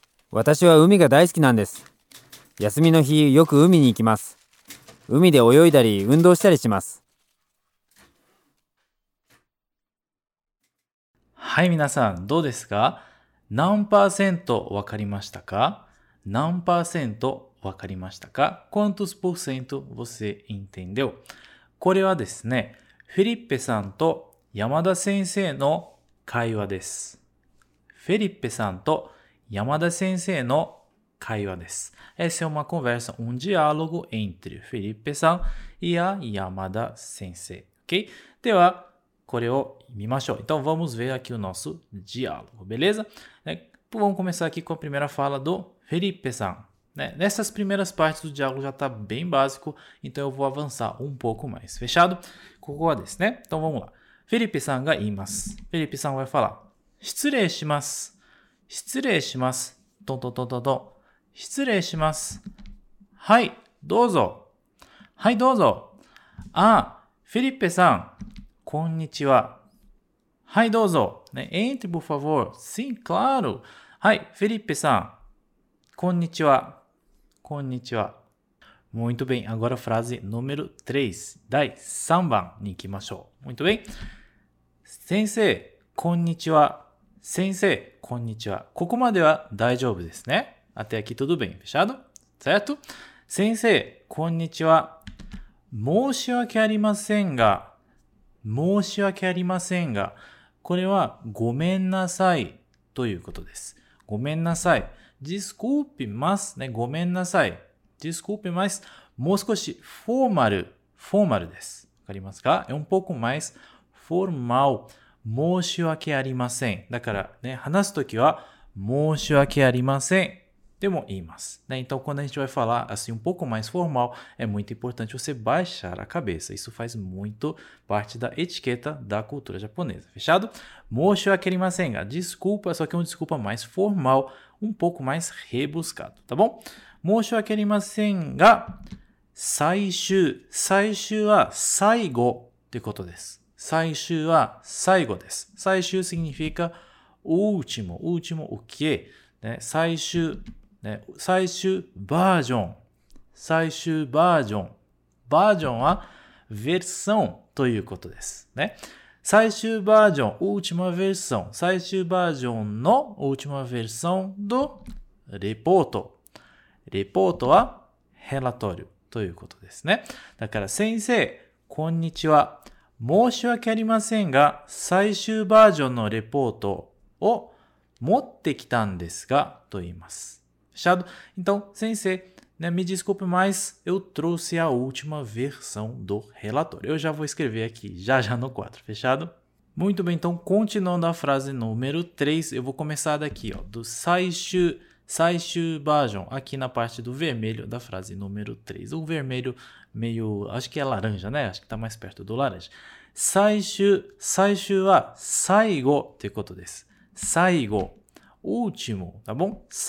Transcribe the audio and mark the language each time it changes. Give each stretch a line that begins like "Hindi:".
Japanese: 私は海が大好きなんです。休みの日よく海に行きます。海で泳いだり運動したりします。はい、皆さんどうですか？何パーセントわかりましたか？何パーセントわかりましたか？
Portuguese: Quantos por cento você entendeu？
Japanese: これはですね、フェリッペさんと山田先生の会話です。フェリッペさんと山田先生の会話です。
Portuguese: Essa é uma conversa, um diálogo entre フェリッペさん e a 山田先生。 OK?
Japanese: では、これを見ましょう。
Portuguese: Então, vamos ver aqui o nosso diálogo, beleza? Vamos começar aqui com a primeira fala do フェリッペさん。 Nessas primeiras partes o diálogo já está bem básico, então eu vou avançar um pouco mais. Fechado?
Japanese: ここはですね。
Portuguese: Então vamos lá.
Japanese: Felipe さんが言います。Felipe さんは falar: 失礼します。失礼します。トントントントン。失礼します。はい、どうぞ。はい、どうぞ。あ、フェリペさん、こんにちは。はい、どうぞ。
Portuguese: Entre, por favor. Sim, claro.
Japanese: はい、フェリペさん、こんにちは。こんにちは。
Portuguese: Muito bem. Agora frase número 3.
Japanese: 第3番に行きましょう。
Portuguese: Muito bem.
Japanese: 先生、こんにちは。先生、こんにちは。ここまでは大丈夫ですね。
Portuguese: Até aqui tudo bem. Fechado? Certo?
Japanese: 先生、こんにちは。申し訳ありませんが、申し訳ありませんが、これはごめんなさいということです。ごめんなさい。
Portuguese: Desculpe, mas, né?
Japanese: ごめんなさい。
Portuguese: Desculpe, mas,
Japanese: もう少し、
Portuguese: formal です。
Japanese: わかりますか？
Portuguese: É um pouco mais formal.
Japanese: 申し訳ありません。だから、ね、話すときは、申し訳ありません。でも言います。
Portuguese: ね、então, quando a gente vai falar, assim, um pouco mais formal, é muito importante você baixar a cabeça. Isso faz muito parte da etiqueta da cultura japonesa. Fechado? 申し訳ありませんが、 desculpa, só que é uma desculpa mais formal, um pouco mais rebuscado, tá bom?
Japanese: 申し訳ありませんが、最終、最終は最後ってことです。最終は最後です。最終 significa おうちも、おうちも OK。ね、最終、ね、最終バージョン。最終バージョン。バージョンは、ヴェルソンということです。ね。最終バージョン、ウーチマヴェルソン。最終バージョンのウーチマヴェルソンとレポート。レポートは、ヘラトルということですね。だから、先生、こんにちは。申し訳ありませんが、最終バージョンのレポートを持ってきたんですが、と言います。
Portuguese: シャド、então、先生、ね、me desculpe, mas eu trouxe a última versão do relatório. Eu já vou escrever aqui, já no 4, fechado? Muito bem, então, continuando a frase número 3, eu vou começar daqui, ó, do 最終バージョン, aqui na parte do vermelho da frase número 3. O vermelho meio, acho que é laranja, né? Acho que tá mais perto do laranja.
Japanese: 最終は最後, ということです。
Portuguese: 最後、último, tá bom?